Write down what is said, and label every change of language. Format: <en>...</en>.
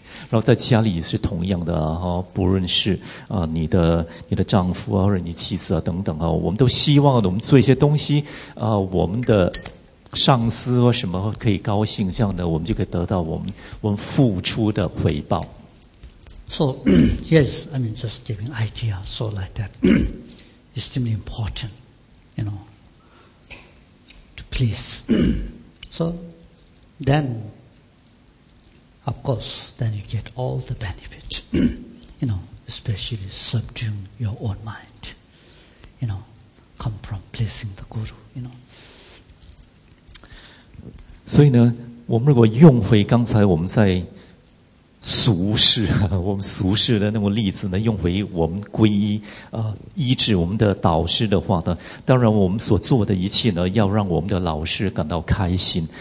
<zh>然后在家里也是同样的啊，不论是啊你的丈夫啊，或者你妻子啊等等啊，我们都希望我们做一些东西啊，我们的上司或什么可以高兴，这样的我们就可以得到我们付出的回报。</zh> <en>So yes, I mean just giving idea, so like that, extremely important, you know, to please. So then. Of course, then you get all the benefit, you know, especially subduing your own mind, you know, come from pleasing the guru, you know.</en> <zh>所以呢，我们如果用回刚才我们在俗世，我们俗世的那种例子呢，用回我们皈依医治我们的导师的话呢，当然我们所做的一切呢，要让我们的老师感到开心。</zh>